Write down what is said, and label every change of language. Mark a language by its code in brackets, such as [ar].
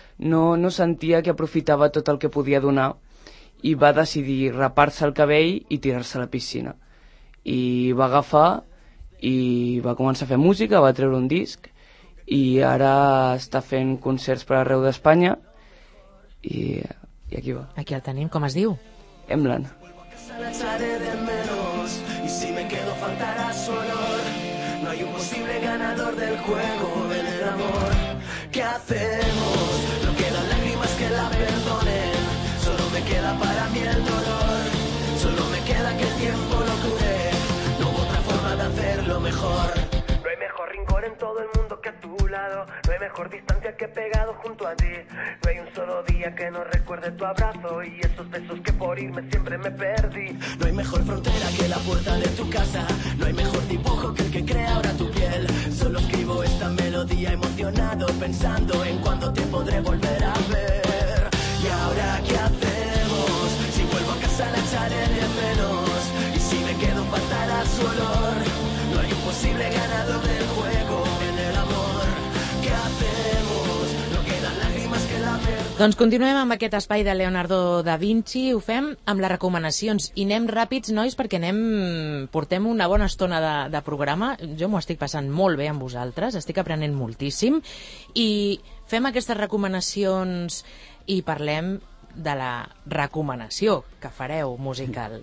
[ca] No sentia que aprofitava tot el que podia donar, i va decidir rapar-se el cabell i tirar-se a la piscina. i va agafar i va començar a fer música, va treure un disc i ara està fent concerts per arreu d'Espanya i aquí va. Aquí el tenim, com es diu? Emlan. [es] Y si me quedo faltará su olor. No hay un posible ganador del juego del amor. ¿Qué hacemos? No quedan lágrimas que la perdonen. Solo me queda para mí el dolor. Solo me queda que el tiempo lo cure. No hubo otra forma de hacerlo mejor. No hay mejor rincón en todo el mundo que a tu lado. No hay mejor distancia que pegado junto a ti. No hay un solo día que no recuerde tu abrazo y esos besos que por irme siempre me perdí. No hay mejor frontera que la puerta de tu casa. No hay mejor dibujo que el que crea ahora tu piel. Solo escribo esta melodía emocionado, pensando en cuándo te podré volver a ver. ¿Y ahora qué hacemos? Si vuelvo a casa la echaré de menos. Y si me quedo faltará su olor. No hay un posible ganador del juego en el amor. ¿Qué hacemos? No quedan lágrimas que la perdonen. [ca] Doncs continuem amb aquest espai de Leonardo da Vinci. Ho fem amb les recomanacions. I anem ràpids, nois, perquè anem... portem una bona estona de programa. Jo m'ho estic passant molt bé amb vosaltres. Estic aprenent moltíssim. I fem aquestes recomanacions i parlem de la recomanació que fareu musical.